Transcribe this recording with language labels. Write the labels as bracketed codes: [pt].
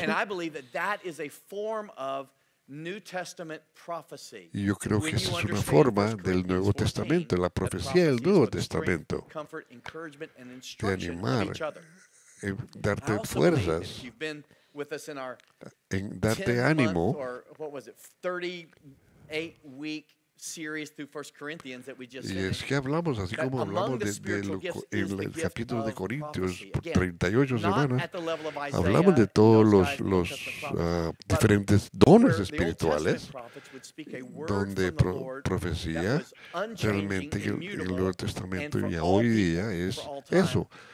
[en] And I believe that that is a form of New Testament prophecy. [es] Y yo creo que esa es una forma del Nuevo Testamento, la profecía del Nuevo Testamento, [en] comfort, encouragement, and instruction with each other. [es] Darte fuerzas. [en] With us in our [es] en darte ánimo, [en] or what was it, 38-week series through 1 Corinthians that we just [es] y es que hablamos así como hablamos en el capítulo de Corintios, 38 semanas, hablamos de todos los diferentes dones espirituales, donde profecía realmente en el Nuevo Testamento y hoy día es eso.